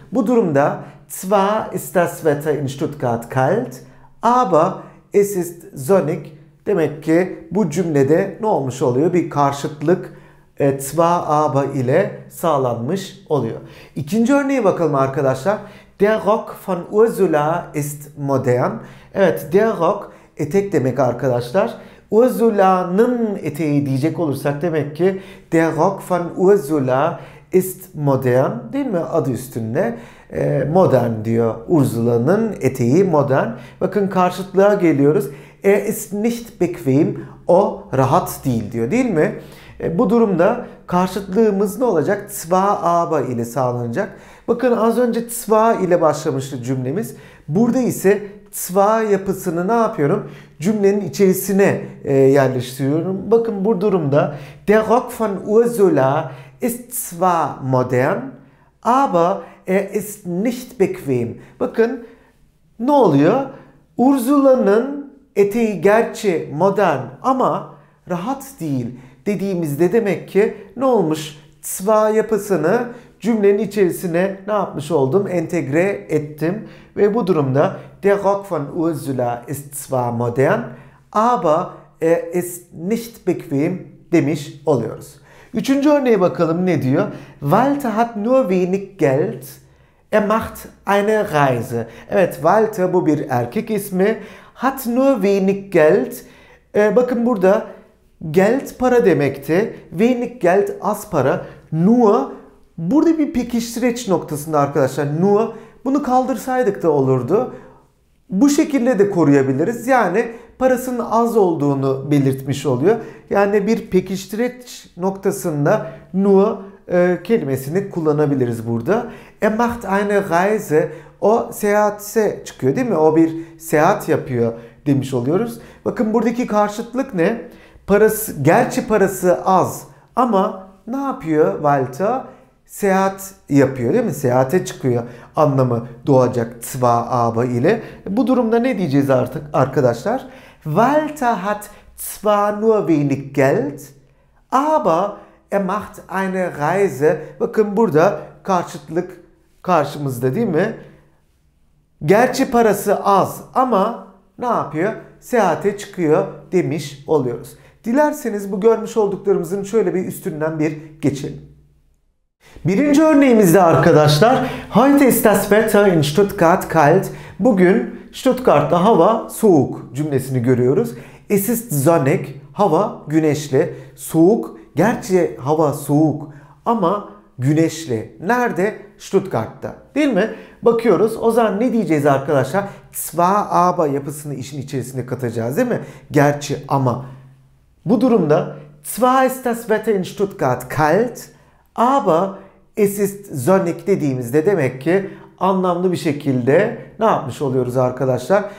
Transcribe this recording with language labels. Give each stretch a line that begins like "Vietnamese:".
Turkish: Bu durumda
German: zwar ist das Wetter in Stuttgart kalt, aber es ist sonnig.
Turkish: Demek ki bu cümlede ne olmuş oluyor? Bir karşıtlık zwar aber ile sağlanmış oluyor. İkinci örneğe bakalım arkadaşlar.
German: Der Rock von Ursula ist modern.
Turkish: Evet, der Rock etek demek arkadaşlar. Ursula'nın eteği diyecek olursak demek ki
German: der Rock von Ursula ist modern,
Turkish: değil mi? Adı üstünde modern diyor. Ursula'nın eteği modern. Bakın karşıtlığa geliyoruz.
German: Er ist nicht bequem.
Turkish: O rahat değil diyor, değil mi? Bu durumda karşıtlığımız ne olacak? Zwei aber ile sağlanacak. Bakın az önce zwei ile başlamıştı cümlemiz. Burada ise zwei yapısını ne yapıyorum? Cümlenin içerisine yerleştiriyorum. Bakın bu durumda
German: der Rock von Ursula ist zwar modern, aber er ist nicht bequem.
Turkish: Bakın ne oluyor? Ursula'nın eteği gerçi modern ama rahat değil dediğimizde demek ki ne olmuş? Zwar yapısını cümlenin içerisine ne yapmış oldum? Entegre ettim. Ve bu durumda
German: der Rock von Ursula ist zwar modern, aber er ist nicht bequem
Turkish: demiş oluyoruz. Üçüncü örneğe bakalım ne diyor?
German: Walter hat nur wenig Geld. Er macht eine Reise.
Turkish: Evet, Walter bu bir erkek ismi.
German: Hat nur wenig Geld.
Turkish: Bakın burada Geld para demekti.
German: Wenig Geld
Turkish: az para. Nur burada bir pekiştireç noktasında arkadaşlar. Nur bunu kaldırsaydık da olurdu. Bu şekilde de koruyabiliriz. Yani parasının az olduğunu belirtmiş oluyor. Yani bir pekiştireç noktasında nur kelimesini kullanabiliriz burada.
German: Er macht eine Reise.
Turkish: O seyahatse çıkıyor değil mi? O bir seyahat yapıyor demiş oluyoruz. Bakın buradaki karşıtlık ne? Parası, gerçi parası az ama ne yapıyor Walter? Seyahat yapıyor değil mi? Seyahate çıkıyor anlamı doğacak zwei aber ile. Bu durumda ne diyeceğiz artık arkadaşlar?
German: Walter hat zwar nur wenig Geld, aber er macht eine Reise.
Turkish: Bakın burada karşıtlık karşımızda değil mi? Gerçi parası az ama ne yapıyor? Seyahate çıkıyor demiş oluyoruz. Dilerseniz bu görmüş olduklarımızın şöyle bir üstünden bir geçelim. Birinci örneğimizde arkadaşlar,
German: heute ist das Wetter in Stuttgart kalt.
Turkish: Bugün Stuttgart'ta hava soğuk cümlesini görüyoruz.
German: Es ist sonnig,
Turkish: hava güneşli. Soğuk, gerçi hava soğuk ama güneşli. Nerede? Stuttgart'ta. Değil mi? Bakıyoruz. O zaman ne diyeceğiz arkadaşlar? Zwar aber yapısını işin içerisine katacağız değil mi? Gerçi ama. Bu durumda
German: Zwar ist das Wetter in Stuttgart kalt, aber es ist sonnig
Turkish: dediğimizde demek ki anlamlı bir şekilde ne yapmış oluyoruz arkadaşlar?